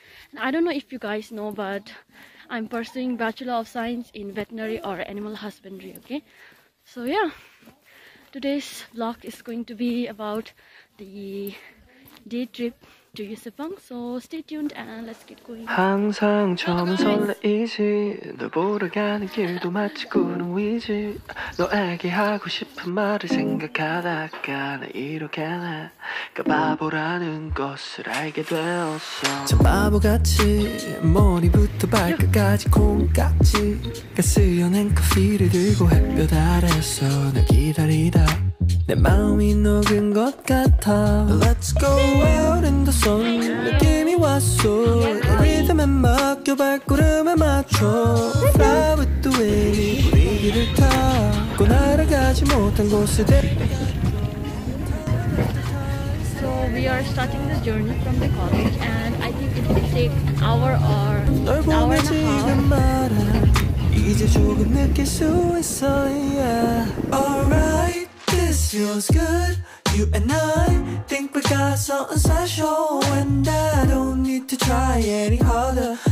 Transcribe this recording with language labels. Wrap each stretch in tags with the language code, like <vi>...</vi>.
<en>And I don't know if you guys know, but I'm pursuing Bachelor of Science in Veterinary or Animal Husbandry, okay? So yeah, today's vlog is going to be about the day trip to Yusipong. So stay tuned and let's get going.</en> <ko>항상 처음 설레이지 널 보러 가는 길도 마치 구름 위지 너에게 하고 싶은 말을 생각하다가 나 이렇게 내가 바보라는 것을 알게 되었어 참 바보같이 머리부터 발끝까지 콩깍지가 쓰여낸 커피를 들고 햇볕 아래서 널 기다리다 내 마음이 녹은 것 같아</ko> <en>Let's go out in the sun</en> <ko>느낌이 왔어 리듬에 맡겨 발걸음에 맞춰</ko> <en>Fly with the wind</en> <ko>우리 길을 타고 날아가지 못한 곳에 대</ko> <en>We are starting this journey from the college, and I think it will take an hour or an hour and a half.</en> <ko>말아, 이제 조금 느낄 수 있어,</ko> <en>yeah. Alright, this feels good. You and I think we got something special, and I don't need to try any harder.</en>